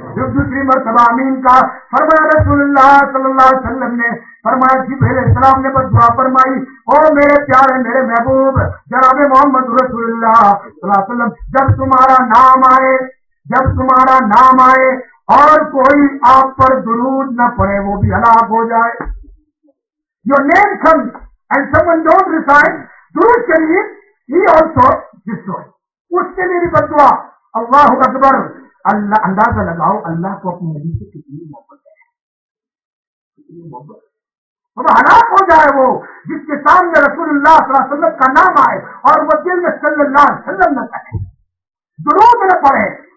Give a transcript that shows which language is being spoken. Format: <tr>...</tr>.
<ur>جب دوسری مرتبہ آمین کا، فرمایا رسول اللہ صلی اللہ علیہ وسلم نے فرمایا جبرائیل علیہ السلام نے بس دعا فرمائی، او میرے پیارے، میرے محبوب جناب محمد رسول اللہ صلی اللہ علیہ وسلم، جب تمہارا نام آئے، جب تمہارا نام آئے اور کوئی آپ پر درود نہ پڑے وہ بھی ہلاک ہو جائے.</ur> <en>Your name comes and someone don't recite درود شریف، he also destroyed.</en> <ur>اس کے لیے بدعا. اللہ اکبر، اللہ اندازہ لگاؤ اللہ کو اپنے نبی سے کتنی محبت ہے، کتنی محبت. اب ہلاک ہو جائے وہ جس کے سامنے رسول اللہ صلی اللہ علیہ وسلم کا نام آئے اور وہ دل میں صلی اللہ علیہ وسلم نہ کہے، درود نہ پڑھے.</ur>